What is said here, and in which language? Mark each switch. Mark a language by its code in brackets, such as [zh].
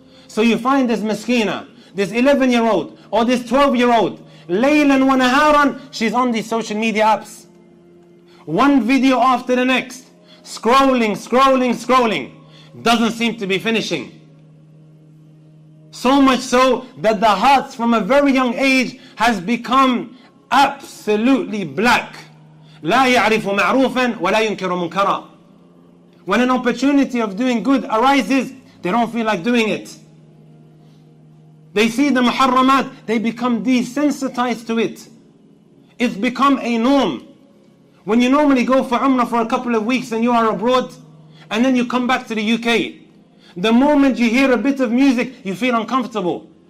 [en] So you find this maskina, this 11-year-old, or this 12-year-old, [ar] laylan wa naharan, [en] she's on these social media apps. One video after the next, scrolling, scrolling, scrolling, doesn't seem to be finishing. So much so that the hearts from a very young age has become absolutely black. [ar] لا يعرف معروفا ولا ينكر منكرا. [en] When an opportunity of doing good arises, they don't feel like doing it. They see the muharramat, they become desensitized to it. It's become a norm. When you normally go for umrah for a couple of weeks and you are abroad, and then you come back to the UK, the moment you hear a bit of music, you feel uncomfortable.